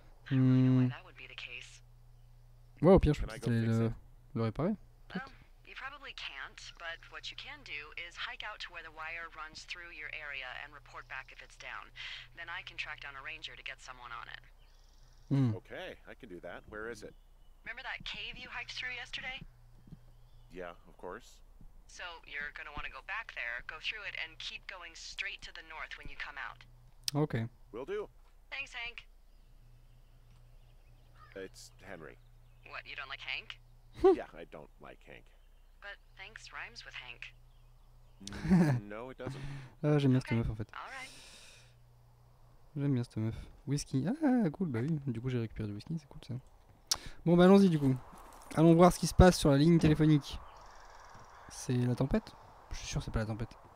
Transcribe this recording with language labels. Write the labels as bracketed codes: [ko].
[en] I don't really know why that would be the case. [fr] Ouais, au pire, je peux peut-être aller le réparer. [en] Well, you probably can't, but what you can do is hike out to where the wire runs through your area and report back if it's down. Then I can track down a ranger to get someone on it. Okay, I can do that. Where is it? Remember that cave you hiked through yesterday? Yeah, of course. So, you're gonna want to go back there, go through it, and keep going straight to the north when you come out. Okay. Will do. Thanks, Hank. It's Henry. What, you don't like Hank? Yeah, I don't like Hank. But thanks rhymes with Hank. No, it doesn't. [fr] Ah, j'aime bien cette meuf, en fait. [en] Alright. [fr] J'aime bien cette meuf. Whisky. Ah, cool, bah oui. Du coup, j'ai récupéré du whisky, c'est cool, ça. Bon bah allons-y du coup. Allons voir ce qui se passe sur la ligne téléphonique. C'est la tempête? Je suis sûr que c'est pas la tempête.